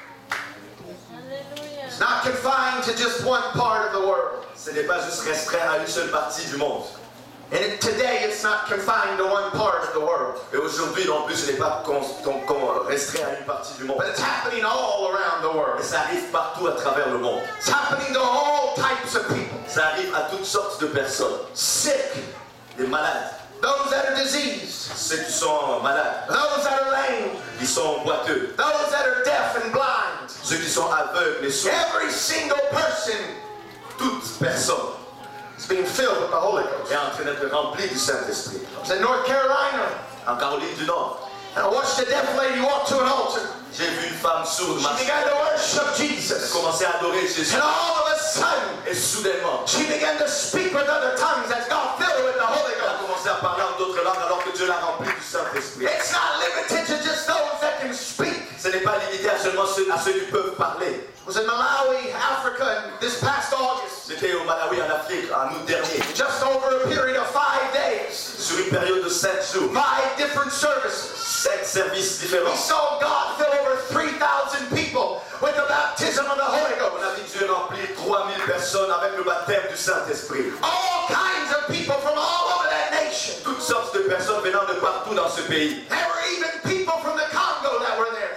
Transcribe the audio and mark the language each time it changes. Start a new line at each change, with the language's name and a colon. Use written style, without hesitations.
English: confined to just one part of the world.
French: Ce n'est pas juste restreint à une seule partie du monde.
English: And today it's not confined to one part of the world.
French: Et aujourd'hui, en plus, ce n'est pas restreint à une partie du monde.
English: But it's happening all around the world.
French: Et ça arrive partout à travers le monde.
English: It's happening to all types of people.
French: Ça arrive à toutes sortes de personnes.
English: Sick.
French: Des malades.
English: Those that are diseased.
French: Ceux qui sont malades.
English: Those that are lame.
French: Ils sont boiteux.
English: Those that are deaf and blind.
French: Ceux qui sont aveugles et sourds.
English: Every single person.
French: Toute personne.
English: It's being filled with the Holy Ghost.
French: Et en train d'être rempli du Saint-Esprit.
English: It's in North Carolina.
French: En Caroline du Nord.
English: And I watched a deaf lady walk to an altar.
French: J'ai vu une femme sourde.
English: She began to worship Jesus.
French: Commencer à adorer Jésus.
English: And all of a sudden.
French: Et soudainement.
English: She began to speak with other tongues as God filled her with the Holy Ghost.
French: Elle a commencé à parler en d'autres langues alors que Dieu l'a rempli du Saint-Esprit.
English: It's not limited to just those that can speak.
French: Ce n'est pas limité à seulement ceux qui peuvent parler.
English: It was in Malawi, Africa, this past August.
French: C'était au Malawi, en Afrique, en août dernier.
English: Just over a period of 5 days.
French: Sur une période de 7 jours.
English: 5 different services.
French: 7 services différents.
English: We saw God fill over 3,000 people with the baptism of the Holy Ghost.
French: On a vu Dieu remplir 3,000 personnes avec le baptême du Saint-Esprit.
English: All kinds of people from all over that nation.
French: Toutes sortes de personnes venant de partout dans ce pays.
English: There were even people from the Congo that were there.